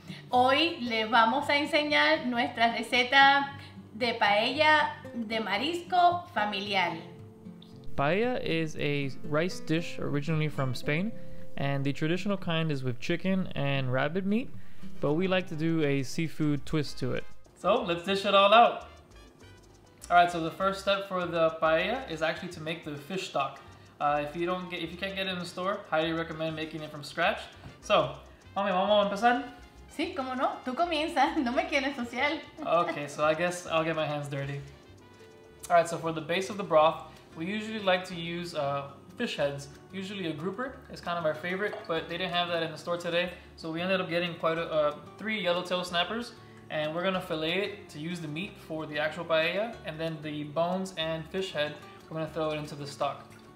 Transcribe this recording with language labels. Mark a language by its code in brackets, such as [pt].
[es] Hoy les vamos a enseñar nuestra receta de paella de marisco familiar. [en] Paella is a rice dish originally from Spain, and the traditional kind is with chicken and rabbit meat, but we like to do a seafood twist to it. So let's dish it all out. All right, so the first step for the paella is actually to make the fish stock. If you can't get it in the store, highly recommend making it from scratch. [es] So, mami, vamos a empezar? Sí, cómo no, tú comienza, no me quieres social. [en] Okay, so I guess I'll get my hands dirty. All right, so for the base of the broth, we usually like to use fish heads, usually a grouper. It's kind of our favorite, but they didn't have that in the store today. So we ended up getting quite three yellowtail snappers. And we're gonna fillet it to use the meat for the actual paella, and then the bones and fish head, we're gonna throw it into the stock.